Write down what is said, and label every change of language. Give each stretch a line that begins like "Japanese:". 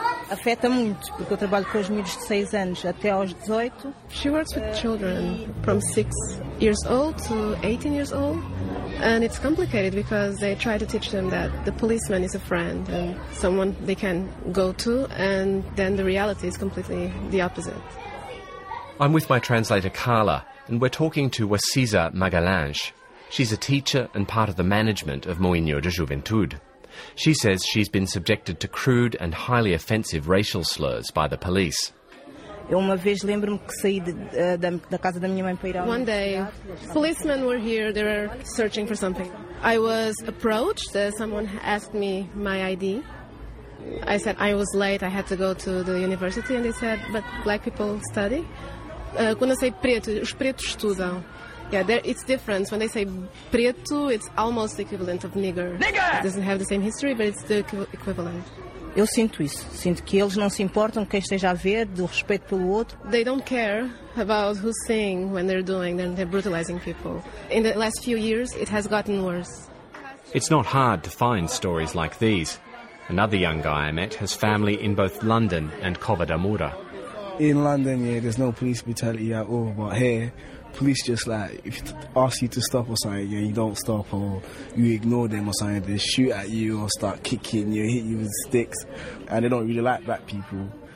Portuguese: Afeta muito, porque eu trabalho com os meninos de 6 anos até aos 18.
English: She works with children from 6 years old to 18 years old. And it's complicated because they try to teach them that the policeman is a friend and someone they can go to, and then the reality is completely the opposite. I'm with my translator Carla, and we're talking to Wasiza Magalhães. She's a teacher and part of the management of Moinho da Juventude. She says she's been subjected to crude and highly offensive racial slurs by the police. One day, policemen were here, they were searching for something. I was approached, someone asked me my ID. I said I was late, I had to go to the university, and they said, but black people study.
Portuguese: Quando eu say preto, os pretos estudam.
English: Yeah, it's different. When they say preto, it's almost the equivalent of nigger. It doesn't have the same history, but it's the equivalent.
Portuguese: Eu sinto isso. Sinto que eles não se importam quem esteja a ver, do respeito pelo outro.
English: They don't care about who's seeing when they're doing, and they're brutalizing people. In the last few years, it has gotten worse. It's not hard to find stories like these. Another young guy I met has family in both London and Cova de Moura. In London, yeah, there's no police brutality at all, but here, police just, like, if they ask you to stop or something, yeah, you don't stop, or you ignore them or something, they shoot at you or start kicking you, hit you with sticks, and they don't really like black people.